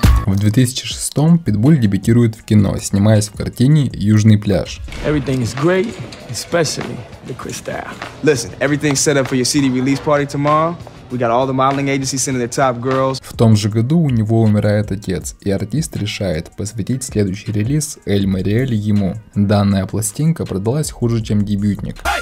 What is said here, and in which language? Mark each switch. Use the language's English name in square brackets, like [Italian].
[Russian] В 2006-м Питбуль дебютирует в кино, снимаясь в картине «Южный пляж». [English] Everything is great, especially the crystal. Listen, everything's set up for your CD release party tomorrow. We got all the modeling agencies sending their top girls. [Russian] В том же году у него умирает отец, и артист решает посвятить следующий релиз «Эль Мариэль» ему. Данная пластинка продалась хуже, чем дебютник.